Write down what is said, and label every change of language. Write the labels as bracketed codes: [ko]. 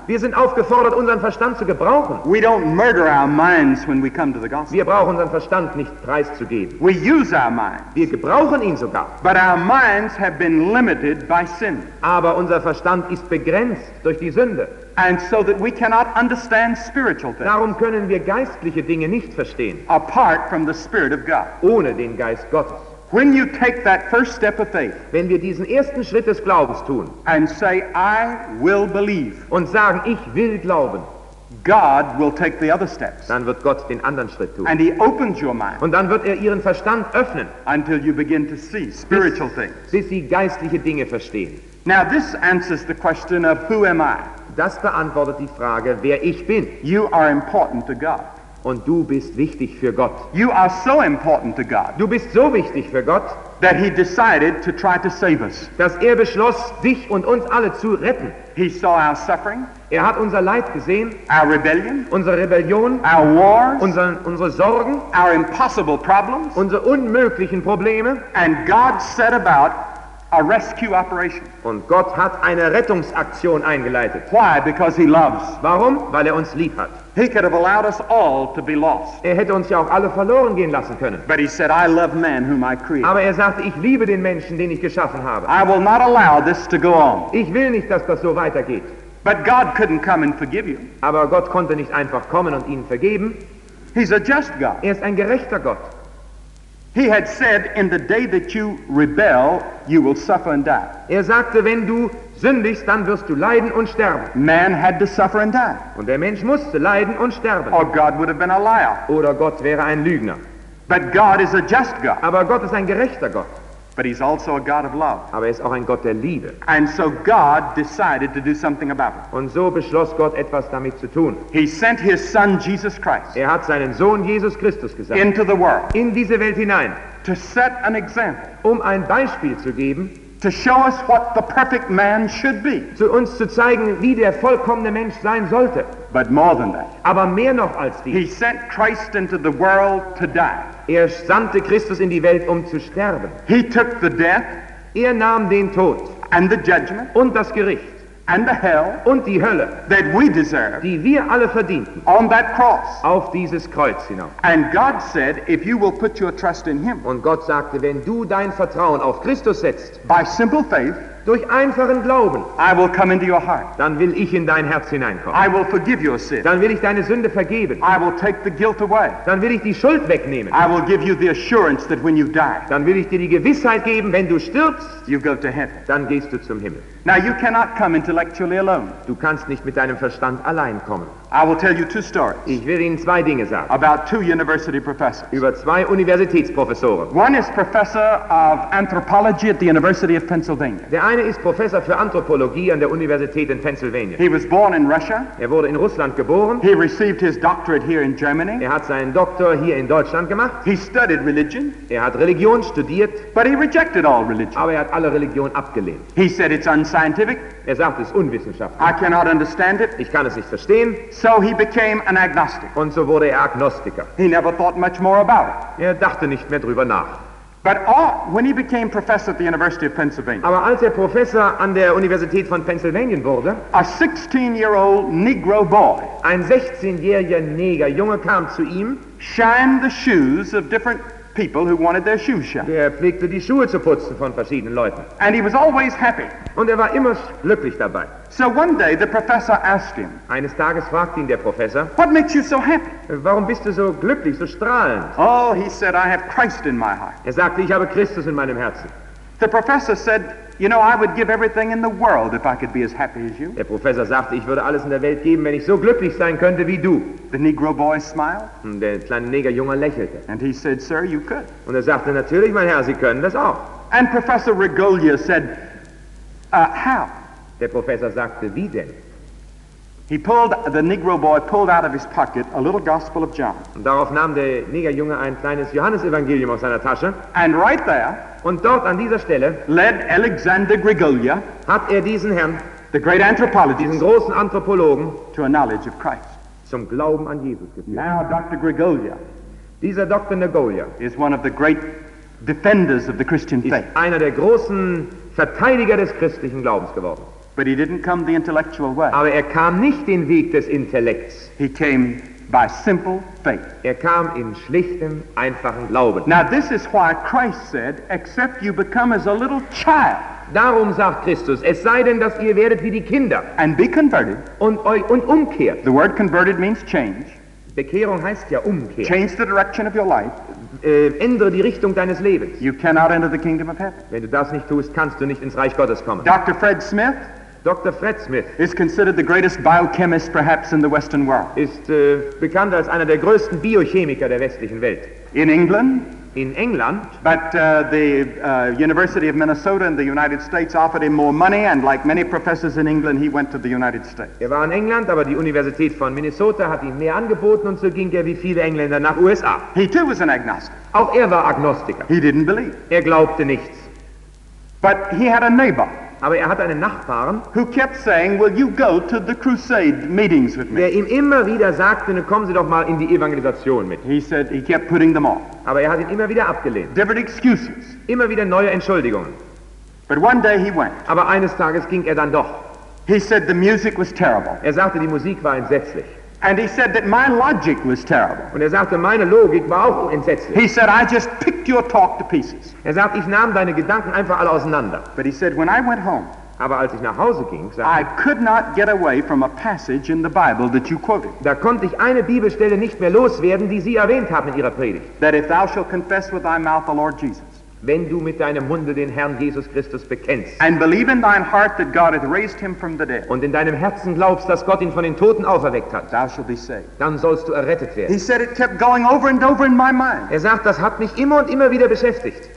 [de] Wir sind aufgefordert, unseren Verstand zu gebrauchen. [en] We don't murder our minds when we come to the gospel. [de] Wir brauchen unseren Verstand nicht preiszugeben. [en] We use our mind. [de] Wir gebrauchen ihn sogar. [en] But our minds have been limited by sin. [de] Aber unser Verstand ist begrenzt durch die Sünde. [en] And so that we cannot understand spiritual things. [de] Darum können wir geistliche Dinge nicht verstehen. [en] Apart from the Spirit of God. [de] Ohne den Geist Gottes. [en] When you take that first step of faith. [de] Wenn wir diesen ersten Schritt des Glaubens tun. [en] And say, I will believe. [de] Und sagen, ich will glauben. [en] God will take the other steps. [de] Dann wird Gott den anderen Schritt tun. [en] And he opens your mind. [de] Und dann wird er ihren Verstand öffnen. [en] Until you begin to see spiritual things. [de] Bis sie geistliche Dinge verstehen. [en] Now this answers the question of who am I? [de] Das beantwortet die Frage, wer ich bin. [en] You are important to God. [de] Und du bist wichtig für Gott. [en] You are so important to God. [de] Du bist so wichtig für Gott, [en] that he decided to try to save us. [de] Dass er beschloss, dich und uns alle zu retten. [en] He saw our suffering. [de] Er hat unser Leid gesehen. [en] Our rebellion. [de] Unsere Rebellion. [en] Our wars. [de] Unsere Sorgen. [en] Our impossible problems. [de] Unsere unmöglichen Probleme. [en] And God set about a rescue operation. [de] Und Gott hat eine Rettungsaktion eingeleitet. [en] Why? Because he loves. [de] Warum? Weil er uns lieb hat. [en] He could have allowed us all to be lost. [de] Er hätte uns ja auch alle verloren gehen lassen können. [en] But he said, I love man whom I create. [de] Aber er sagte, ich liebe den Menschen, den ich geschaffen habe. [en] I will not allow this to go on. [de] Ich will nicht, dass das so weitergeht. [en] But God couldn't come and forgive you. [de] Aber Gott konnte nicht einfach kommen und ihn vergeben. [en] He's a just God. [de] Er ist ein gerechter Gott. [en] He had said, in the day that you rebel, you will suffer and die. [de] Er sagte, wenn du sündigst, dann wirst du leiden und sterben. [en] Man had to suffer and die. [de] Und der Mensch musste leiden und sterben. [en] Or God would have been a liar. [de] Oder Gott wäre ein Lügner. [en] But God is a just God. [de] Aber Gott ist ein gerechter Gott. [en] But he's also a God of love. [de] Aber er ist auch ein Gott der Liebe. [en] And so God decided to do something about it. [de] Und so beschloss Gott, etwas damit zu tun. [en] He sent his son Jesus Christ. [de] Er hat seinen Sohn Jesus Christus gesandt. [en] Into the world. [de] In diese Welt hinein. [en] To set an example. [de] Um ein Beispiel zu geben. [en] To show us what the perfect man should be. [de] Zu uns zu zeigen, wie der vollkommene Mensch sein sollte. [en] But more than that. [de] Aber mehr noch als dies. [en] He sent Christ into the world to die. [de] Er sandte Christus in die Welt, um zu sterben. [en] He took the death. [de] Er nahm den Tod. [en] And the judgment. [de] Und das Gericht. [en] And the hell. [de] Und die Hölle. [en] That we deserve. [de] Die wir alle verdienten. [en] On that cross. [de] Auf dieses Kreuz hinauf. [en] And God said, if you will put your trust in him. [de] Und Gott sagte, wenn du dein Vertrauen auf Christus setzt. [en] By simple faith. [de] Durch einfachen Glauben. [en] I will come into your heart. [de] Dann will ich in dein Herz hineinkommen. [en] I will forgive your sin. [de] Dann will ich deine Sünde vergeben. [en] I will take the guilt away. [de] Dann will ich die Schuld wegnehmen. [en] I will give you the assurance that when you die. [de] Dann will ich dir die Gewissheit geben, wenn du stirbst. [en] You go to heaven. [de] Dann gehst du zum Himmel. [en] Now you cannot come intellectually alone. [de] Du kannst nicht mit deinem Verstand allein kommen. [en] I will tell you two stories. [de] Ich will Ihnen zwei Dinge sagen. [en] About two university professors. [de] Über zwei Universitätsprofessoren. [en] One is professor of anthropology at the University of Pennsylvania. [de] Der eine ist Professor für Anthropologie an der Universität in Pennsylvania. [en] He was born in Russia. [de] Er wurde in Russland geboren. [en] He received his doctorate here in Germany. [de] Er hat seinen Doktor hier in Deutschland gemacht. [en] He studied religion. [de] Er hat Religion studiert. [en] But he rejected all religion. [de] Aber er hat alle Religion abgelehnt. [en] He said it's unscientific. [de] Er sagt, es ist unwissenschaftlich. [en] I cannot understand it. [de] Ich kann es nicht verstehen. [en] So he became an agnostic. [de] Und so wurde er Agnostiker. [en] He never thought much more about it. [de] Er dachte nicht mehr drüber nach. [en] But when he became professor at the University of Pennsylvania. [de] Aber als er Professor an der Universität von Pennsylvania wurde, [en] a 16-year-old Negro boy. [de] Ein 16-jähriger Neger, Junge kam zu ihm, [en] shined the shoes of different people who wanted their shoes shined. [de] Der pflegte die Schuhe zu putzen von verschiedenen Leuten. [en] And he was always happy. [de] Und er war immer glücklich dabei. [en] So one day the professor asked him. [de] Eines Tages fragte ihn der Professor. [en] What makes you so happy? [de] Warum bist du so glücklich, so strahlend? [en] Oh, he said, I have Christ in my heart. [de] Er sagte, ich habe Christus in meinem Herzen. [en] The professor said, you know, I would give everything in the world if I could be as happy as you. [de] Der Professor sagte, ich würde alles in der Welt geben, wenn ich so glücklich sein könnte wie du. [en] The Negro boy smiled. [de] Und der kleine Negerjunge lächelte. [en] And he said, sir, you could. [de] Und er sagte, natürlich, mein Herr, Sie können das auch. [en] And Professor Regolia said, how? [de] Der Professor sagte, wie denn? [en] The Negro boy pulled out of his pocket a little Gospel of John. [de] Und darauf nahm der Negerjunge ein kleines Johannesevangelium aus seiner Tasche. [en] And right there. [de] Und dort an dieser Stelle [en] led Alexander Grigolia, [de] hat er diesen Herrn, [en] the great anthropologist, [de] diesen großen Anthropologen, [en] to a knowledge of Christ, [de] zum Glauben an Jesus geführt. [en] Now Dr. Grigolia, [de] dieser Dr. Negolia, [en] is one of the great defenders of the Christian faith. [de] Ist einer der großen Verteidiger des christlichen Glaubens geworden. [en] But he didn't come the intellectual way. [de] Aber er kam nicht den Weg des Intellekts. [en] He came by simple faith. [de] Er kam in schlichtem, einfachen Glauben. [en] Now this is why Christ said, except you become as a little child. [de] Darum sagt Christus, es sei denn, dass ihr werdet wie die Kinder. [en] And be converted. [de] Und umkehrt. [en] The word converted means change. [de] Bekehrung heißt ja Umkehr. [en] Change the direction of your life. [de] Ändere die Richtung deines Lebens. [en] You cannot enter the kingdom of heaven. [de] Wenn du das nicht tust, kannst du nicht ins Reich Gottes kommen. [en] Dr. Fred Smith. [de] Dr. Fred Smith [en] is considered the greatest biochemist perhaps in the Western world. [de] Ist bekannt als einer der größten Biochemiker der westlichen Welt. [en] In England. [de] In England. [en] But the University of Minnesota in the United States offered him more money, and like many professors in England, he went to the United States. [de] Er war in England, aber die Universität von Minnesota hat ihm mehr angeboten, und so ging er wie viele Engländer nach USA. [en] He too was an agnostic. [de] Auch er war Agnostiker. [en] He didn't believe. [de] Er glaubte nichts. [en] But he had a neighbor. [de] Aber er hatte einen Nachbarn, [en] who kept saying, "Will you go to the crusade meetings with me?" [de] Der ihm immer wieder sagte, "Nun kommen Sie doch mal in die Evangelisation mit." [en] He said he kept putting them off. [de] Aber er hat ihn immer wieder abgelehnt. [en] Different excuses. [de] Immer wieder neue Entschuldigungen. [en] But one day he went. [de] Aber eines Tages ging er dann doch. [en] He said the music was terrible. [de] Er sagte, die Musik war entsetzlich. [en] And he said that my logic was terrible. [de] Und er sagte, meine Logik war auch entsetzlich. [en] He said, I just picked your talk to pieces. [de] Er sagte, ich nahm deine Gedanken einfach alle auseinander. [en] But he said, when I went home, [de] aber als ich nach Hause ging, sagte, [en] I could not get away from a passage in the Bible that you quoted. [de] Da konnte ich eine Bibelstelle nicht mehr loswerden, die Sie erwähnt haben in Ihrer Predigt. [en] That if thou shalt confess with thy mouth the Lord Jesus. [de] Wenn du mit deinem Munde den Herrn Jesus Christus bekennst, [en] and believe in thine heart that God hath raised him from the dead, [de] und in deinem Herzen glaubst, dass Gott ihn von den Toten auferweckt hat, [en] thou shalt be saved. [de] Dann sollst du errettet werden. [en] He said it kept going over and over in my mind. [de] Er sagt, das hat mich immer und immer wieder beschäftigt.